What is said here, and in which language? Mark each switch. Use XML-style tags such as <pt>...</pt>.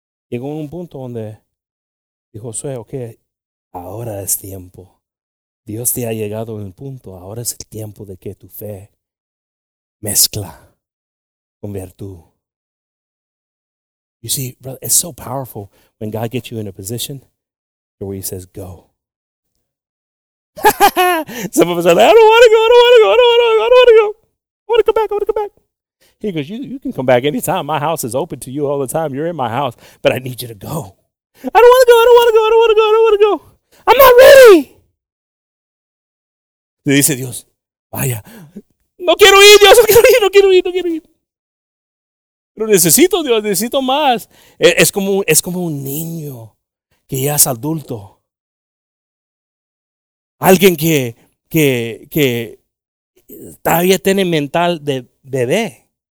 <es>Llegó un punto donde dijo Josué, ok, ahora es tiempo. Dios te ha llegado en el punto. Ahora es el tiempo de que tu fe mezcla con virtud.</es> <en>You see, brother, it's so powerful when God gets you in a position where he says, go. Some of us are like, I don't want to go, I don't want to go, I don't want to go, I don't want to go. I want to come back, I want to come back. He goes, you can come back anytime. My house is open to you all the time. You're in my house, but I need you to go. I don't want to go, I don't want to go, I don't want to go, I don't want to go. I'm not ready.</en> <es>Le dice Dios, vaya. No quiero ir, Dios, no quiero ir, no quiero ir, no quiero ir. Pero necesito, Dios, necesito más. Es como un niño que ya es adulto. Alguien que todavía tiene mental de bebé.</es>